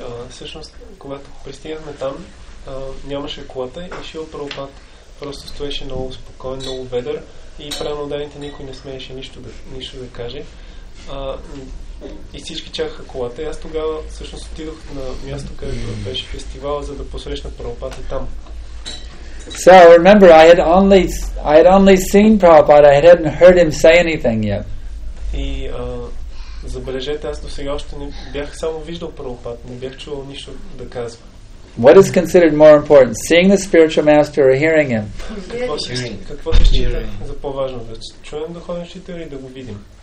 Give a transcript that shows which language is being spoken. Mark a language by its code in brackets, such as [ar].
[bg] Всъщност, когато пристигнахме там, нямаше колата и Шрила Прабхупад просто стоеше много спокоен, много ведър и преамодарните никой не смееше нищо да каже. И всички чакаха колата. И аз тогава всъщност отидох на място, където беше фестивал, за да посрещна Прабхупад и там. [en] So remember, I had only seen Prabhupada, I hadn't heard him say anything yet. [bg] И забележете, аз до сега още не бях само виждал Прабхупад, не бях чувал нищо да казва. [en] What is considered more important, seeing the spiritual master or hearing him? [bg] Какво се счита за по-важно, да чуем духовен учител или да го видим?